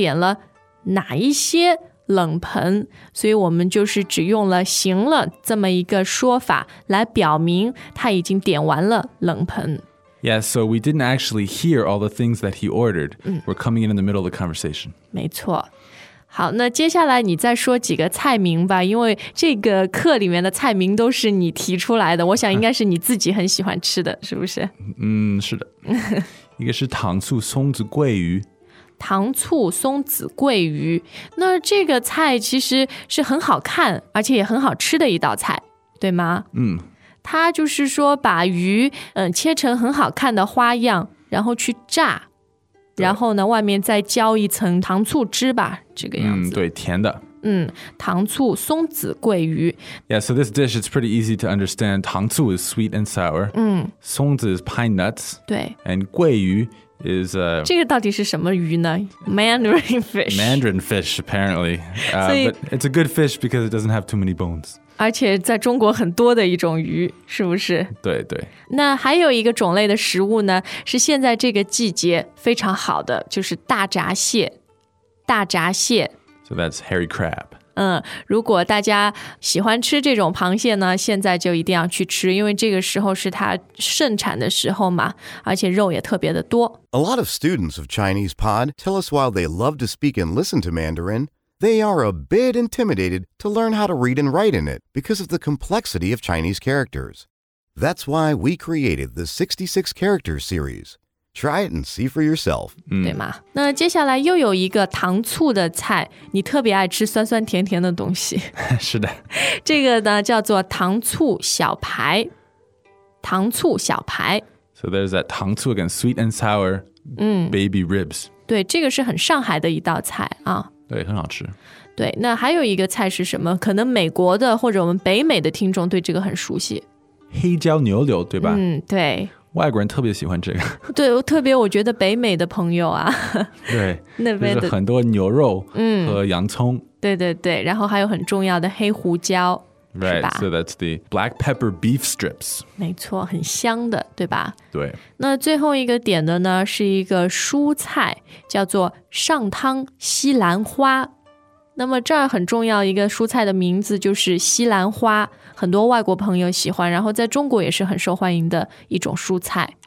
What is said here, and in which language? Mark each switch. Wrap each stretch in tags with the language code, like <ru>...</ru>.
<zh>冷盆，那么在对话呢一开始，他用了一个挺有意思的词，叫"行了"，冷盆就这么多。那么"行了"这个词往往是用在一句话的最后，你有没有发现？嗯，是的。那么在这儿呢，由于我们没有具体的写出来他点了哪一些。冷盆，所以我们就是只用了"行了"这么一个说法来表明他已经点完了冷盆。</zh> <en>Yes, so we didn't actually hear all the things that he ordered. We're coming in the middle of the conversation.</en> <zh>没错。好，那接下来你再说几个菜名吧，因为这个课里面的菜名都是你提出来的，我想应该是你自己很喜欢吃的，是不是？嗯，是的。一个是糖醋松子桂鱼。糖醋松子桂鱼，那这个菜其实是很好看而且也很好吃的一道菜，对吗？嗯，它就是说把鱼切成很好看的花样，然后去炸，然后呢外面再浇一层糖醋汁吧，这个样子。嗯，对，甜的。嗯，糖醋松子桂鱼。</zh> <en>Yeah, so this dish is pretty easy to understand. 糖醋 is sweet and sour.</en> <zh>嗯，</zh> <en>松子 is pine nuts.</en> <zh>对。</zh> <en>And 桂鱼 is a...</en> <zh>这个到底是什么鱼呢？</zh> <en>Mandarin fish. Mandarin fish, apparently. But it's a good fish because it doesn't have too many bones.</en> <zh>而且在中国很多的一种鱼，是不是？对对。那还有一个种类的食物呢，是现在这个季节非常好的，就是大闸蟹。大闸蟹。</zh> <en>So that's hairy crab.</en> <zh>嗯，如果大家喜欢吃这种螃蟹呢，现在就一定要去吃，因为这个时候是它盛产的时候嘛，而且肉也特别的多。</zh> <en>A lot of students of Chinese Pod tell us while they love to speak and listen to Mandarin, they are a bit intimidated to learn how to read and write in it because of the complexity of Chinese characters. That's why we created the 66 character series. Try it and see for yourself.、</en> <zh>嗯、对吗？那接下来又有一个糖醋的菜，你特别爱吃酸酸甜甜的东西。是的。这个呢叫做糖醋小排。糖醋小排。</zh> <en>So there's that 糖醋 again, sweet and sour baby ribs.、</en> <zh>嗯、对，这个是很上海的一道菜啊。对，很好吃。对，那还有一个菜是什么？可能美国的或者我们北美的听众对这个很熟悉。黑椒牛柳，对吧？嗯，对。外国人特别喜欢这个，对，特别我觉得北美的朋友啊，对，那边的就是很多牛肉和洋葱、嗯、对对对，然后还有很重要的黑胡椒</zh> <en>Right, so that's the black pepper beef strips.</en> <zh>没错，很香的，对吧？对。那最后一个点的呢是一个蔬菜，叫做上汤西兰花。那么这儿很重要一个蔬菜的名字就是西兰花，很多外国朋友喜欢，然后在中国也是很受欢迎的一种蔬菜。</zh>